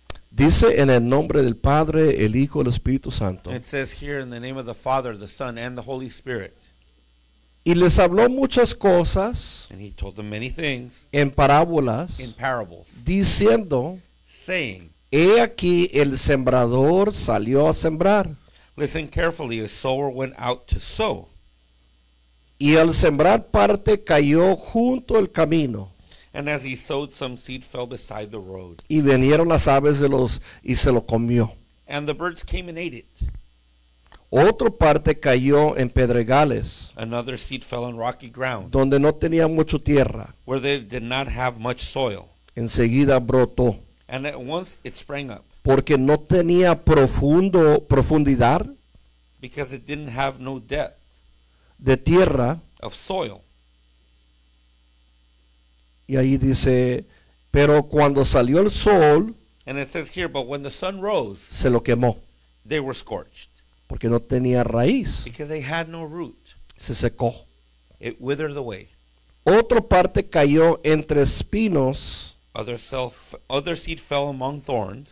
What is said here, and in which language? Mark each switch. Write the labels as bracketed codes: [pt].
[es] Dice en el nombre del Padre, el Hijo, el Espíritu Santo. [en] It says here in the name of the Father, the Son, and the Holy Spirit. [es] Y les habló muchas cosas. [en] And he told them many things. [es] En parábolas. [en] In parables. [es] Diciendo. [en] Saying. [es] He aquí el sembrador salió a sembrar. [en] Listen carefully, a sower went out to sow. [es] Y al sembrar parte cayó junto al camino. [en] And as he sowed, some seed fell beside the road. [es] Y vinieron las aves de los y se lo comió. [en] And the birds came and ate it. [es] Otro parte cayó en pedregales. [en] Another seed fell on rocky ground. [es] Donde no tenía mucho tierra. [en] Where they did not have much soil. [es] Enseguida brotó. [en] And at once it sprang up. [es] Porque no tenía profundidad. [en] Because it didn't have no depth. [es] De tierra. [en] Of soil. [es] Y ahí dice, pero cuando salió el sol. [en] And it says here, but when the sun rose. [es] Se lo quemó. [en] They were scorched. [es] Porque no tenía raíz. [en] Because they had no root. [es] Se secó. [en] It withered away. [es] Otro parte cayó entre espinos. [en] Other seed fell among thorns.